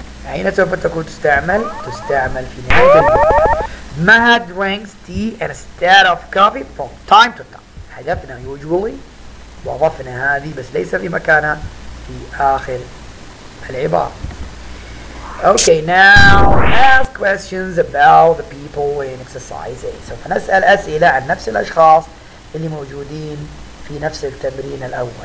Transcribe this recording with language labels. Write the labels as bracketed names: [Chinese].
[Arabic] أين سوف تكون تستعمل؟ تستعمل في نهاية اليوم. [English] ما drinks tea instead of coffee from time to time. [Arabic] حذفنا [English] usually. [Arabic] وأضفنا هذه بس ليس في مكانها في آخر العبارة. [English] Okay, now ask questions about the people in exercise A. [Arabic] سوف نسأل أسئلة عن نفس الأشخاص اللي موجودين في نفس التمرين الأول.